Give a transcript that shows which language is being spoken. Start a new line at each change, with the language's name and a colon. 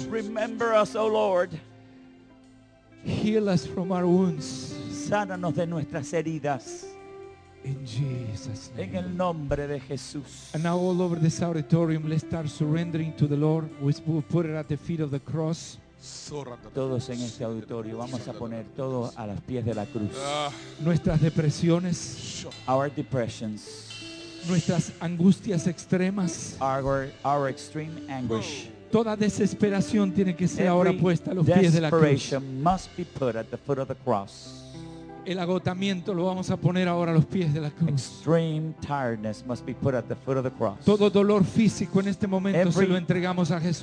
English: Remember us, oh Lord. Heal us from our wounds.
Spanish: Sánanos de nuestras heridas.
English: In Jesus' name.
Spanish: En el nombre de Jesús.
English: And now all over this auditorium, let's start surrendering to the Lord. We'll put it at the feet of the cross.
Spanish: Todos en este auditorio, vamos a poner todo a los pies de la cruz. Nuestras depresiones.
English: Our depressions.
Spanish: Nuestras angustias extremas.
English: Our extreme anguish.
Spanish: Toda desesperación tiene que ser ahora puesta a los pies de la cruz.
English: Desperation must be put at the foot of the cross.
Spanish: El agotamiento lo vamos a poner ahora a los pies de la cruz.
English: Extreme tiredness must be put at the foot of the cross.
Spanish: Todo dolor físico en este momento se lo entregamos a Jesús.